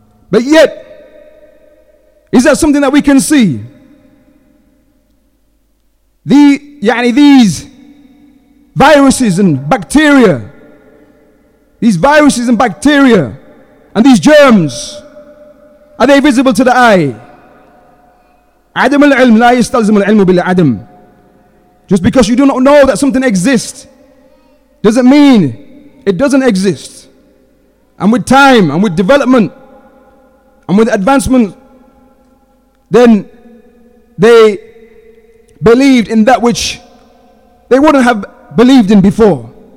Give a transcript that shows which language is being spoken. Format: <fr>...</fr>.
<en>But yet, is that something that we can see? These viruses and bacteria, and these germs, are they visible to the eye?</en> <ar>عدم العلم لا يستلزم العلم بالعدم.</ar> <en>Just because you do not know that something exists doesn't mean it doesn't exist. And with time and with development and with advancement, then they believed in that which they wouldn't have believed in before.</en>